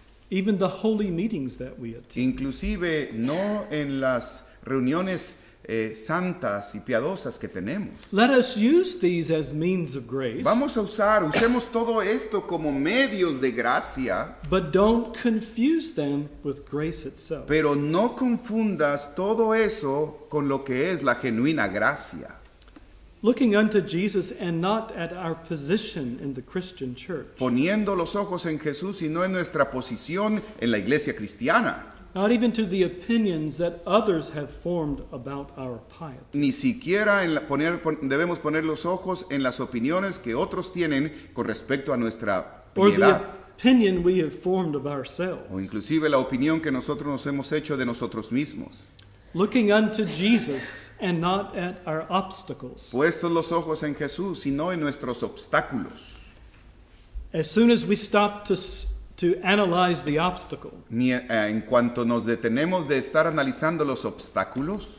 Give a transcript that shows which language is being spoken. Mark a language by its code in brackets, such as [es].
[en] Even the holy meetings that we attend. [es] Inclusive no en las reuniones santas y piadosas que tenemos. [en] Let us use these as means of grace. [es] Vamos a usemos todo esto como medios de gracia. [en] But don't confuse them with grace itself. [es] Pero no confundas todo eso con lo que es la genuina gracia. [en] Looking unto Jesus and not at our position in the Christian church. [es] Poniendo los ojos en Jesús y no en nuestra posición en la iglesia cristiana. [en] Not even to the opinions that others have formed about our piety. [es] Ni siquiera debemos poner los ojos en las opiniones que otros tienen con respecto a nuestra piedad. [en] Or the opinion we have formed of ourselves. [es] O inclusive la opinión que nosotros nos hemos hecho de nosotros mismos. [en] Looking unto Jesus and not at our obstacles. [es] Puestos los ojos en Jesús y no en nuestros obstáculos. [en] As soon as we stop to analyze the obstacle. [es] En cuanto nos detenemos de estar analizando los obstáculos,